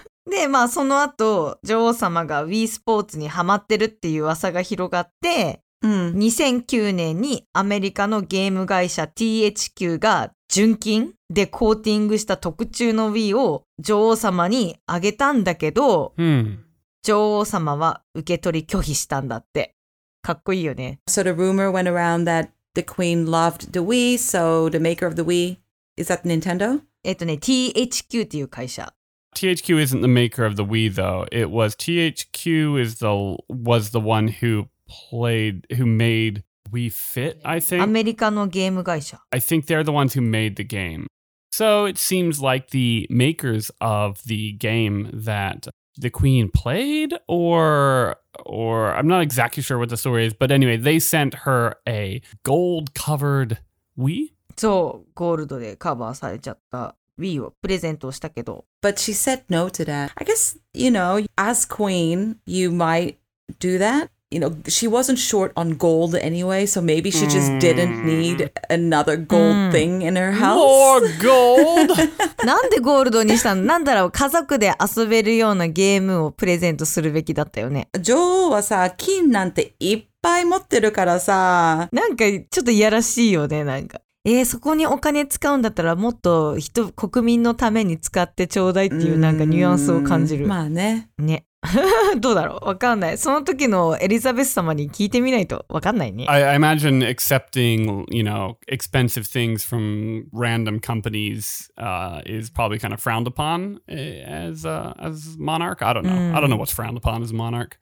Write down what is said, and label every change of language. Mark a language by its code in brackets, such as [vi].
[ja] で、まあ、その後、女王様が Wii スポーツにハマってるっていう噂が広がって、2009年にアメリカのゲーム会社 THQ が純金でコーティングした特注の Wii を女王様にあげたんだけど、女王様は受け取り拒否したんだって。かっこいいよね。 [en] So the rumor went around that the queen loved the Wii, so the maker of the Wii, is that Nintendo? [ja] THQ っていう会社。 [en] THQ isn't the maker of the Wii though. It was THQ was the one who made Wii Fit, I think. [ja] アメリカのゲーム会社。 [en] I think they're the ones who made the game. So it seems like the makers of the game that the queen played or I'm not exactly sure what the story is, but anyway, they sent her a gold covered Wii. [ja] そう、ゴールドでカバーされちゃった。 Wii をプレゼントしたけど。 [en] But she said no to that. I guess, you know, as queen, you might do that. You know, she wasn't short on gold anyway, so maybe she just didn't need another gold thing in her house. More gold? [ja] なんでゴールドにしたの?なんだろう、家族で遊べるようなゲームをプレゼントするべきだったよね。女王はさ、金なんていっぱい持ってるからさ。なんかちょっといやらしいよね、なんか。そこにお金使うんだったらもっと人国民のために使ってちょうだいっていうなんかニュアンスを感じる。まあね。ね。どうだろう。わかんない。その時のエリザベス様に聞いてみないとわかんないね。 [en] I imagine accepting, you know, expensive things from random companies, is probably kind of frowned upon as monarch. I don't know. I don't know what's frowned upon as monarch.